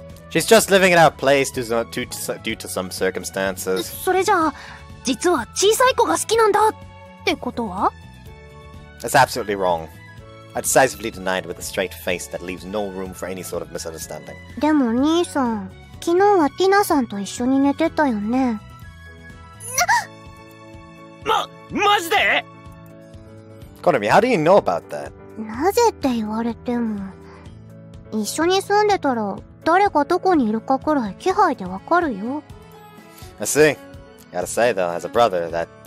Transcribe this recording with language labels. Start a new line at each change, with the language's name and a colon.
English: She's just living in our place due to some circumstances.
Japanese: それじゃあ、実は小さい子が好きなんだってことは?
English: That's absolutely wrong. I decisively denied with a straight face that leaves no room for any sort of misunderstanding.
Japanese: でも兄さん、昨日はティナさんと一緒に寝てたよね。マジで?
English: コナミ、how do you know about that?
Japanese: なぜって言われても、一緒に住んでたら誰がどこにいるかくらい気配でわかるよ。
English: I see. Gotta say though, as a brother, that